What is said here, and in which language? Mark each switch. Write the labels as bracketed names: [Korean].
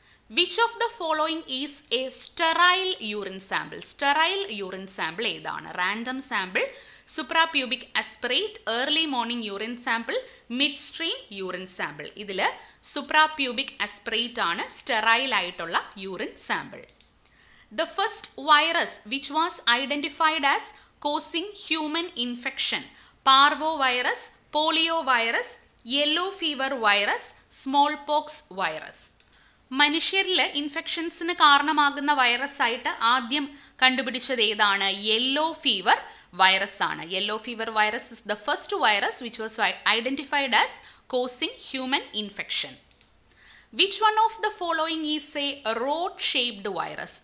[English] Which of the following is a sterile urine sample? [Malayalam] Sterile urine sample ഏതാണ്? Random sample, supra pubic aspirate, early morning urine sample, mid stream urine sample. ഇതിൽ supra pubic aspirate ആണ് sterile ആയിട്ടുള്ള urine sample. [English] The first virus which was identified as causing human infection: parvovirus, poliovirus, yellow fever virus, smallpox virus. [Malayalam] മനുഷ്യരിലെ ഇൻഫെക്ഷൻസിന് കാരണമാകുന്ന virus ആയിട്ട് ആദ്യം കണ്ടുപിടിച്ചത് ഏതാണ്? Yellow fever virus ആണ്. [English] Yellow fever virus is the first virus which was identified as causing human infection. Which one of the following is a rod shaped virus?